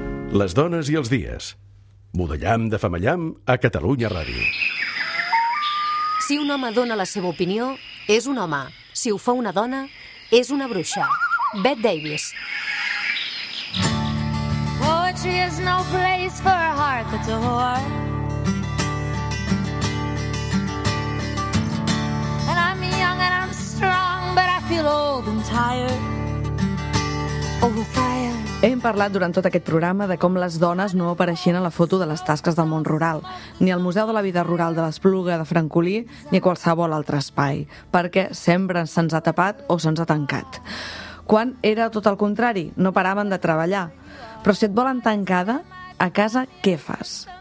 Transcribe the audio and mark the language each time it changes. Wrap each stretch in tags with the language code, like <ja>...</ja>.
<ca>Les dones i els dies. Budellam de Famellam a Catalunya Ràdio. Si un home dona la seva opinió, és un home. Si ho fa una dona, és una bruixa. Bette Davis.</ca> <en>Poetry is no place for a heart that's a whore. And I'm young and I'm strong, but I feel old and tired.</en> <ca>Hem parlat durant tot aquest programa de com les dones no apareixien a la foto de les tasques del món rural, ni al Museu de la Vida Rural de l'Espluga de Francolí, ni a qualsevol altre espai, perquè sempre se'ns ha tapat o se'ns ha tancat. quan era tot el contrari, no paraven de treballar. Però si et volen tancada, a casa què fas?</ca>